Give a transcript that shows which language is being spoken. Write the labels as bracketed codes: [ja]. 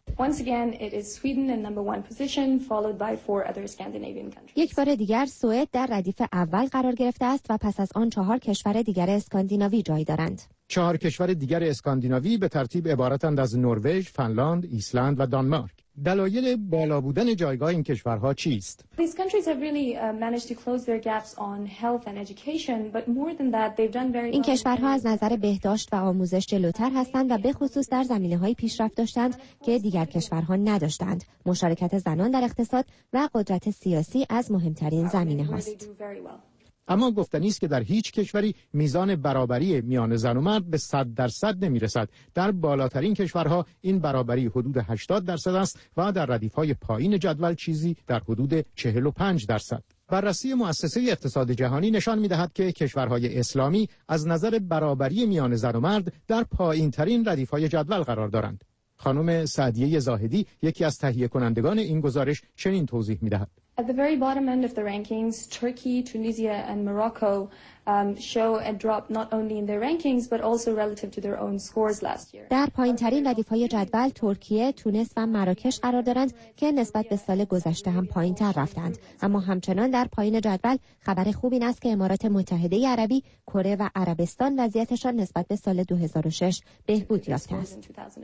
[en] Once again, it is Sweden in number one position, followed by four other Scandinavian countries. [fa] یک بار دیگر سوئد در ردیف اول قرار گرفته است و پس از آن چهار کشور دیگر اسکاندیناوی جای دارند. چهار کشور دیگر اسکاندیناوی به ترتیب عبارتند از نروژ، فنلاند، ایسلند و دانمارک. دلایل بالا بودن جایگاه این کشورها چیست؟ [en] These countries have really managed to close their gaps on health and education, but more than that, they've done very well. [fa] این کشورها از نظر بهداشت و آموزش جلوتر هستند و به خصوص در زمینه‌های پیشرفت داشتند که دیگر کشورها نداشتند. مشارکت زنان در اقتصاد و قدرت سیاسی از مهمترین زمینه‌هاست. اما گفتنی است که در هیچ کشوری میزان برابری میان زن و مرد به 100% نمی‌رسد. در بالاترین کشورها این برابری حدود 80% است و در ردیف‌های پایین جدول چیزی در حدود 45%. بررسی مؤسسه اقتصاد جهانی نشان می‌دهد که کشورهای اسلامی از نظر برابری میان زن و مرد در پایین‌ترین ردیف‌های جدول قرار دارند. خانم سعدیه زاهدی، یکی از تهیه کنندگان این گزارش، چنین توضیح می‌دهد: [en] At the very bottom end of the rankings, Turkey, Tunisia and Morocco show a drop not only in their rankings but also relative to their own scores last year. [fa] در پایین‌ترین ردیف‌های جدول ترکیه، تونس و مراکش قرار دارند که نسبت به سال گذشته هم پایین‌تر رفتند. اما همچنان در پایین جدول خبر خوبی است که امارات متحده عربی، کره و عربستان وضعیتشان نسبت به سال 2006 بهبود یافته است.